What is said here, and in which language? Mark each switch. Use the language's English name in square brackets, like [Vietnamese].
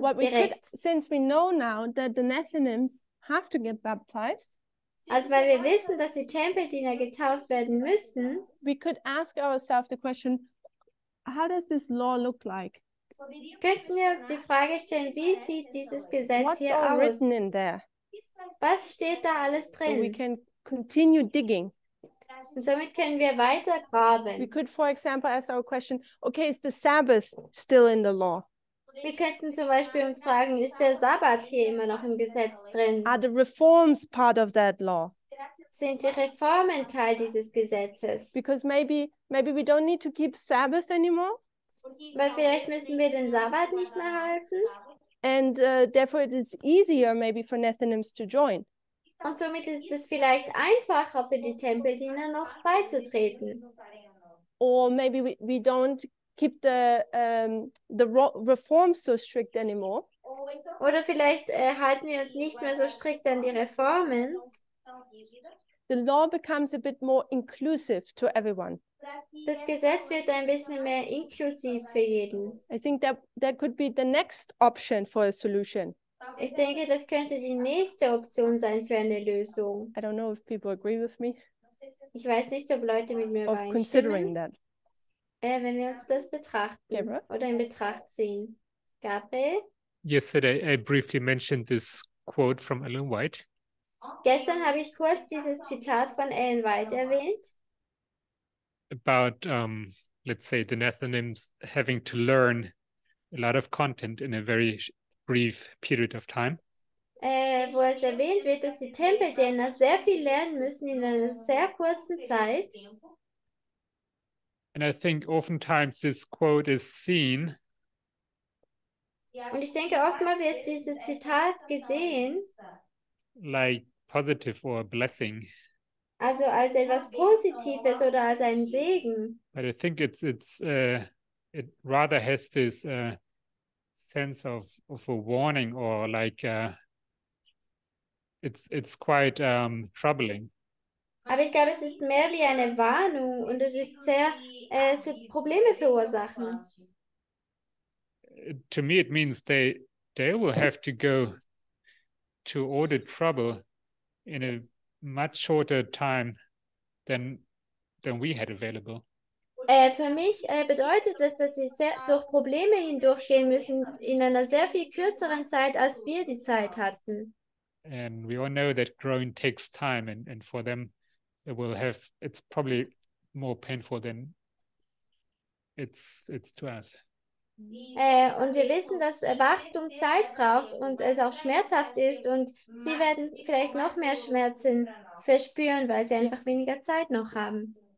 [English] What we could, since we know now that the Nethinims have to get baptized. [German] Also weil wir wissen, dass die Tempeldiener getauft werden müssen. [English] We could ask ourselves the question, how does this law look like? [German] Könnten wir uns die Frage stellen, wie sieht dieses Gesetz [English] What's [German] hier aus? [English] What's all written in there? [German] Was steht da alles drin? [English] So we can continue digging. [German] Und somit können wir weiter graben. [English] We could, for example, ask our question, okay, is the Sabbath still in the law? [German] Wir könnten zum Beispiel uns fragen, ist der Sabbat hier immer noch im Gesetz drin? [English] Are the reforms part of that law? [German] Sind die Reformen Teil dieses Gesetzes? [English] Because maybe we don't need to keep Sabbath anymore. [German] Weil vielleicht müssen wir den Sabbat nicht mehr halten. [English] And therefore it is easier maybe for Nethinims to join. [German] Und somit ist es vielleicht einfacher für die Tempeldiener noch beizutreten. [English] Or maybe we don't keep the reforms so strict anymore. [German] Oder vielleicht halten wir uns nicht mehr so strikt an die Reformen. [English] The law becomes a bit more inclusive to everyone. [German] Das Gesetz wird ein bisschen mehr inklusiv für jeden. [English] I think that could be the next option for a solution. [German] Ich denke, das könnte die nächste Option sein für eine Lösung. [English] I don't know if people agree with me. [German] Ich weiß nicht, ob Leute mit mir übereinstimmen. [English] Of considering that. [German] Wenn wir uns das betrachten, Gabriel? Oder in Betracht ziehen. Gabriel? [English] Yesterday I briefly mentioned this quote from Ellen White. [German] Gestern habe ich kurz dieses Zitat von Ellen White erwähnt. [English] About, let's say, the Nethinims having to learn a lot of content in a very brief period of time. [German] Wo es erwähnt wird, dass die Tempeldiener sehr viel lernen müssen in einer sehr kurzen Zeit. [English] And I think oftentimes this quote is seen. [German] Und ich denke, oftmals wird dieses Zitat gesehen. [English] Like positive or a blessing. [German] Also als etwas Positives oder als ein Segen. [English] But I think it rather has this sense of a warning or like it's quite troubling. [German] Aber ich glaube, es ist mehr wie eine Warnung und es ist sehr es wird Probleme verursachen. [English] To me it means they will have to go to all the trouble in a much shorter time than we had available. [German] Für mich bedeutet das, dass sie sehr durch Probleme hindurchgehen müssen in einer sehr viel kürzeren Zeit, als wir die Zeit hatten. [English] And we all know that growing takes time and for them it will have, it's probably more painful than it's to us. [German] Und wir wissen, dass Wachstum Zeit braucht und es auch schmerzhaft ist und sie werden vielleicht noch mehr Schmerzen verspüren, weil sie einfach weniger Zeit noch haben.